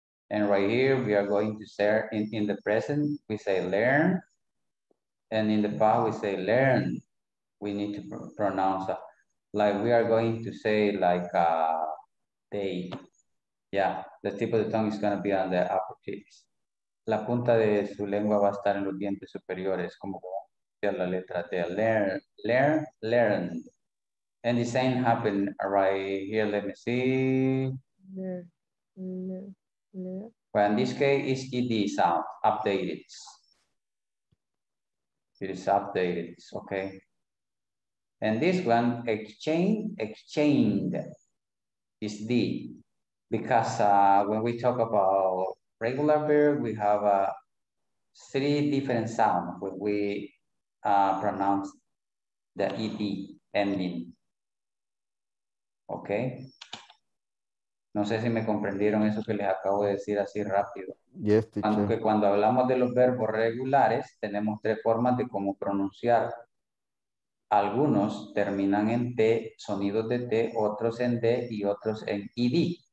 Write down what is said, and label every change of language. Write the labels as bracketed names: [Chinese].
[English] And right here, we are going to say in the present, we say learn. And in the past, we say learn. We need to pronounce like we are going to say like they. Yeah, the tip of the tongue is going to be on the upper tips. [Spanish] La punta de su lengua va a estar en los dientes superiores, como la letra de learn. [English] And the same happened right here. Let me see. Well, in this case, it's ED sound, updated. It is updated, okay. And this one, exchanged, is D. Because when we talk about regular verb, we have three different sounds when we pronounce the ED ending. Okay. [Spanish] No sé si me comprendieron eso que les acabo de decir así rápido. [English] Yes, teacher. [Spanish] Aunque cuando hablamos de los verbos regulares, tenemos tres formas de cómo pronunciar. Algunos terminan en T, sonidos de T, otros en D y otros en ED.